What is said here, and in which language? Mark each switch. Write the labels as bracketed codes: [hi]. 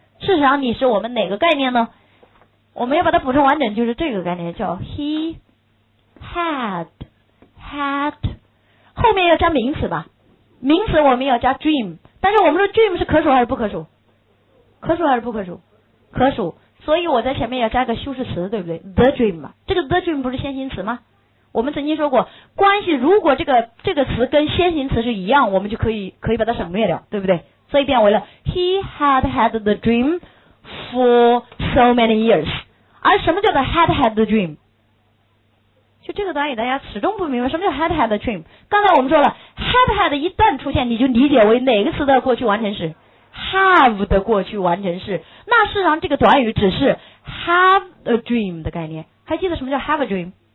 [zh] 事实上你是我们哪个概念呢？我们要把它补充完整，就是这个概念叫 he had 后面要加名词吧，名词我们要加 dream， 但是我们说 dream 是可数还是不可数？可数还是不可数？可数。所以我在前面要加个修饰词，对不对？ the dream 嘛，这个 the dream 不是先行词吗？我们曾经说过关系，如果这个词跟先行词是一样，我们就可以把它省略掉，对不对？所以变为了 [en] he had the dream for so many years。 [zh] 而什么叫做 had the dream？就这个短语大家始终不明白什么叫 had dream。刚才我们说了 had 一旦出现，你就理解为哪个词的过去完成式？ have 的过去完成式。那事实上这个短语只是 have a dream 的概念。还记得什么叫 have a dream？